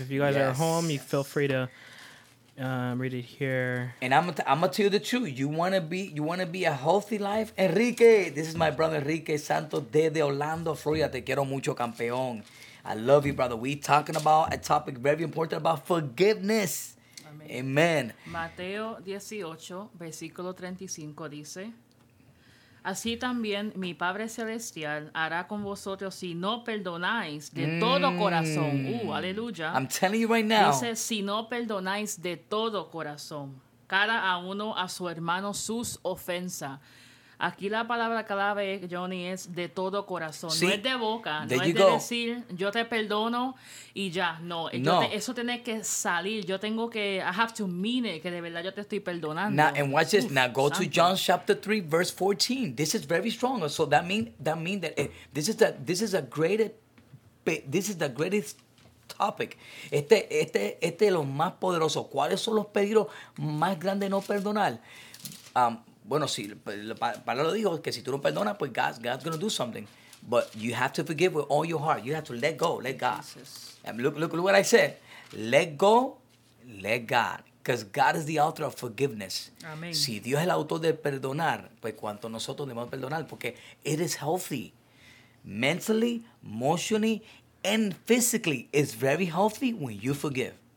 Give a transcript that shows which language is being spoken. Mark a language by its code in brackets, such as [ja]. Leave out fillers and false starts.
[en] If you guys are home, you feel free to read it here. And I'm gonna tell you the truth. You wanna be a healthy life? Enrique, this is my brother Enrique Santos desde Orlando, Florida. [es] Te quiero mucho, campeón. [en] I love you, brother. We're talking about a topic very important about forgiveness. Amen. Amen. [es] Mateo 18, versículo 35 dice, así también mi Padre Celestial hará con vosotros si no perdonáis de todo corazón. Aleluya. [en] I'm telling you right now. [es] Dice, si no perdonáis de todo corazón, cada a uno a su hermano sus ofensas. Aquí la palabra clave, Johnny, es de todo corazón. Sí. No es de boca. Decir, yo te perdono y ya. No. Eso tiene que salir. Yo tengo que, [en] I have to mean it, [es] que de verdad yo te estoy perdonando. [en] Now, and watch this. Now, go to John chapter 3, verse 14. This is very strong. So, this is the greatest topic. [es] Este es lo más poderoso. ¿Cuáles son los peligros más grandes de no perdonar? Bueno, si para lo dijo que si tú no perdonas, pues [en] God's gonna do something. But you have to forgive with all your heart. You have to let go, let God. And look what I said. Let go, let God. Because God is the author of forgiveness. Amen. [es] Si Dios es el autor de perdonar, pues cuánto nosotros debemos perdonar, porque [en] it is healthy. Mentally, emotionally, and physically, it's very healthy when you forgive.